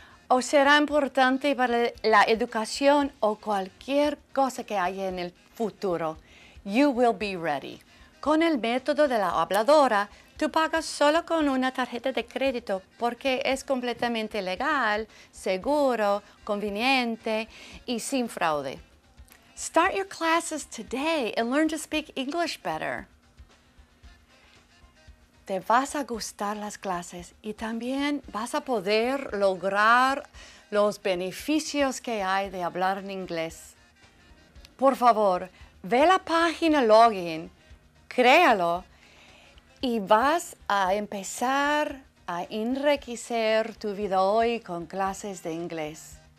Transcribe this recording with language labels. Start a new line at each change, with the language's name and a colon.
Spanish: O será importante para la educación o cualquier cosa que haya en el futuro.
English: You will be ready.
Spanish: Con el método de la habladora, tú pagas solo con una tarjeta de crédito porque es completamente legal, seguro, conveniente y sin fraude.
English: Start your classes today and learn to speak English better.
Spanish: Te vas a gustar las clases y también vas a poder lograr los beneficios que hay de hablar en inglés. Por favor, ve la página login, créalo, y vas a empezar a enriquecer tu vida hoy con clases de inglés.